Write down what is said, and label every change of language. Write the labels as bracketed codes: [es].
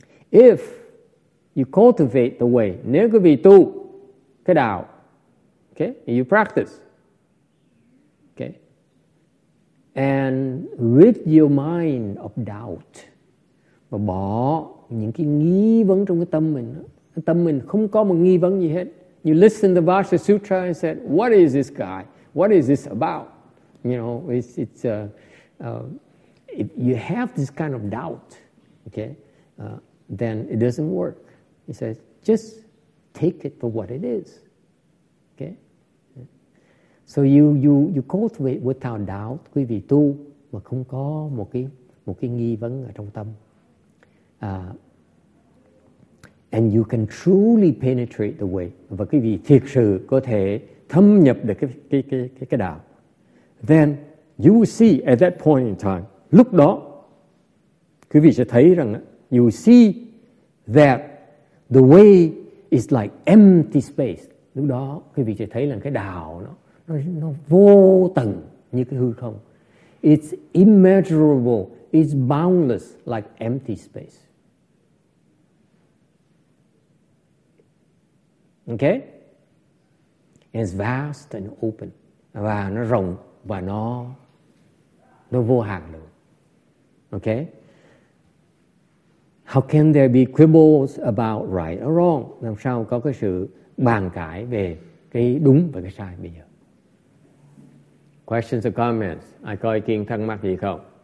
[en] If you cultivate the way, [vi] nếu quý vị tu cái đạo, [en] okay, and you practice, okay, and rid your mind of doubt, [vi] và bỏ những cái nghi vấn trong cái tâm mình, tâm mình không có một nghi vấn gì hết. [en] You listen to the Vajra Sutra and said, what is this guy? What is this about? You know, if you have this kind of doubt, okay, then it doesn't work. He says, just take it for what it is. Okay? So you cultivate without doubt, [vi] quý vị tu, mà không có một cái nghi vấn ở trong tâm. [en] And you can truly penetrate the way. [vi] Và quý vị thiệt sự có thể thâm nhập được cái đạo. [en] Then you will see at that point in time, [vi] lúc đó, quý vị sẽ thấy rằng, [en] you will see that the way is like empty space. [vi] Lúc đó, quý vị sẽ thấy là cái đạo nó vô tận như cái hư không. [en] It's immeasurable, it's boundless like empty space. Okay? It's vast and open. [vi] Và nó rộng và nó vô hạn luôn. [en] Okay? How can there be quibbles about right or wrong? [vi] Làm sao có cái sự bàn cãi về cái đúng và cái sai bây giờ? [en] Questions or comments? [vi] Ai có ý kiến thắc mắc gì không?